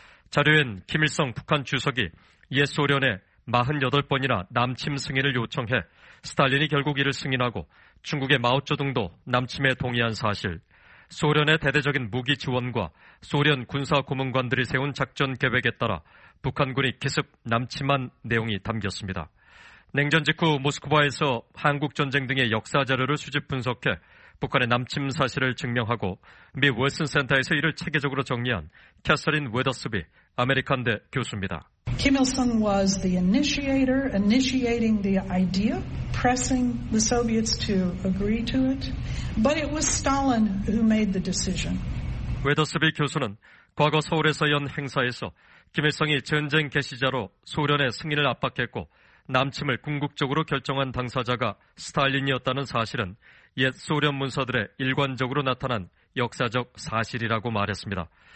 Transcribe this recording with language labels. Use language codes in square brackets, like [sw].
[ko] 자료엔 김일성 북한 주석이 옛소련의 48번이나 남침 승인을 요청해 스탈린이 결국 이를 승인하고 중국의 마오쩌둥도 남침에 동의한 사실, 소련의 대대적인 무기 지원과 소련 군사 고문관들이 세운 작전 계획에 따라 북한군이 기습 남침한 내용이 담겼습니다. 냉전 직후 모스크바에서 한국전쟁 등의 역사 자료를 수집 분석해 북한의 남침 사실을 증명하고 미 월슨 센터에서 이를 체계적으로 정리한 캐서린 웨더스비 아메리칸대 교수입니다. [en] Kim Il-sung was the initiator, initiating the idea, pressing the Soviets to agree to it. But it was Stalin who made the decision. [ko] 웨더스비 교수는 과거 서울에서 연 행사에서 김일성이 전쟁 개시자로 소련의 승인을 압박했고 남침을 궁극적으로 결정한 당사자가 스탈린이었다는 사실은 옛 소련 문서들의 일관적으로 나타난 역사적 사실이라고 말했습니다.